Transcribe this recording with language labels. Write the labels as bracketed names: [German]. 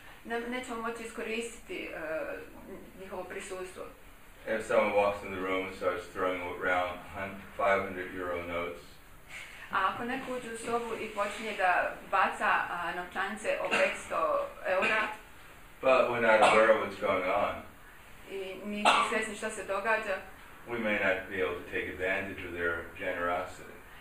[Croatian] Nećemo moći iskoristiti njihovo prisustvo. [English] If someone walks in the room and starts throwing around 500 euro notes. [Croatian] A ako neko uđe u sobu i počinje da baca novčanice o 500 eura. [English] But we're not aware of what's going on. [Croatian] I nisu svjesni što se događa. [English] We may not be able to take advantage of their generosity.